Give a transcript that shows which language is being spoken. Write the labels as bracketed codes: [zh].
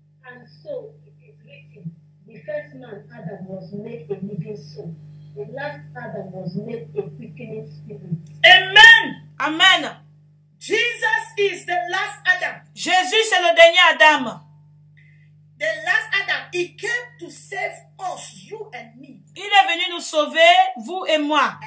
[en] And so it is written, the first man Adam was made a living soul. The last Adam was made a quickening spirit. Amen. [fr] Amen. [en] Jesus is the last Adam. [fr] Jésus c'est le dernier Adam. [en] The last Adam, he came to save us, you and me. [fr] Il est venu nous sauver, vous et moi.